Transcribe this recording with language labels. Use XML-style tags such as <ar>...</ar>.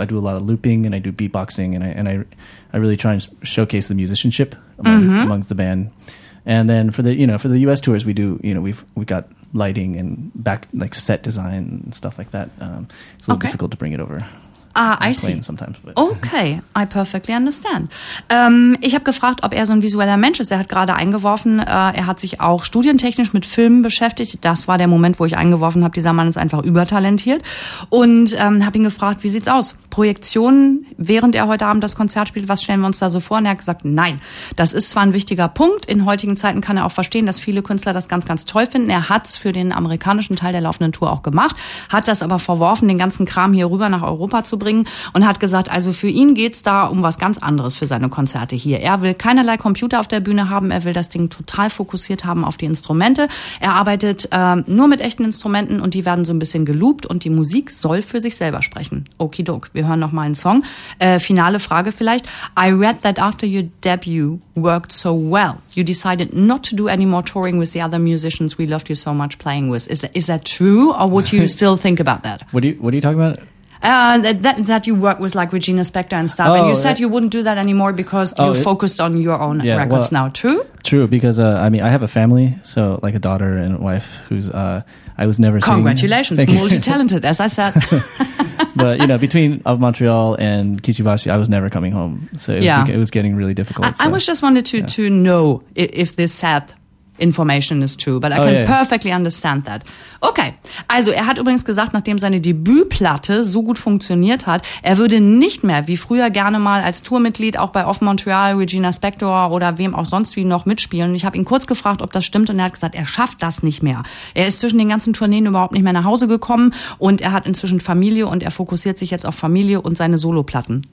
<en>I do a lot of looping, and I do beatboxing, and I really try and showcase the musicianship amongst the band. And then for the, you know, for the U.S. tours, we do, you know, we've got lighting and back like set design and stuff like that. It's a little difficult to bring it over. Ah, I see. Sometimes, okay, I perfectly understand.</en> <de>Ich habe gefragt, ob er so ein visueller Mensch ist. Er hat gerade eingeworfen, er hat sich auch studientechnisch mit Filmen beschäftigt. Das war der Moment, wo ich eingeworfen habe, dieser Mann ist einfach übertalentiert. Und habe ihn gefragt, wie sieht's aus? Projektionen, während er heute Abend das Konzert spielt, was stellen wir uns da so vor? Und er hat gesagt, nein, das ist zwar ein wichtiger Punkt. In heutigen Zeiten kann er auch verstehen, dass viele Künstler das ganz, ganz toll finden. Er hat's für den amerikanischen Teil der laufenden Tour auch gemacht, hat das aber verworfen, den ganzen Kram hier rüber nach Europa zu bringen und hat gesagt, also für ihn geht's da um was ganz anderes für seine Konzerte hier. Er will keinerlei Computer auf der Bühne haben, er will das Ding total fokussiert haben auf die Instrumente. Er arbeitet nur mit echten Instrumenten und die werden so ein bisschen geloopt und die Musik soll für sich selber sprechen. Okidok, wir hören noch mal einen Song. Finale Frage vielleicht.</de> <en>I read that after your debut worked so well, you decided not to do any more touring with the other musicians we loved you so much playing with. Is that true, or would you still think about that? What are you talking about? That you work with like Regina Spektor and stuff, and you said you wouldn't do that anymore because you focused on your own records now. True? True, because I mean, I have a family, so like a daughter and a wife who's I was never seeing. Congratulations, multi-talented, as I said. But you know, between of Montreal and Kichibashi, I was never coming home, so it was getting really difficult. I just wanted to know if this said Information is true, but I can perfectly understand that.</en> <de>Okay, also er hat übrigens gesagt, nachdem seine Debütplatte so gut funktioniert hat, er würde nicht mehr wie früher gerne mal als Tourmitglied auch bei Off Montreal, Regina Spektor oder wem auch sonst wie noch mitspielen. Ich habe ihn kurz gefragt, ob das stimmt, und er hat gesagt, er schafft das nicht mehr. Er ist zwischen den ganzen Tourneen überhaupt nicht mehr nach Hause gekommen, und er hat inzwischen Familie und er fokussiert sich jetzt auf Familie und seine Soloplatten.</de>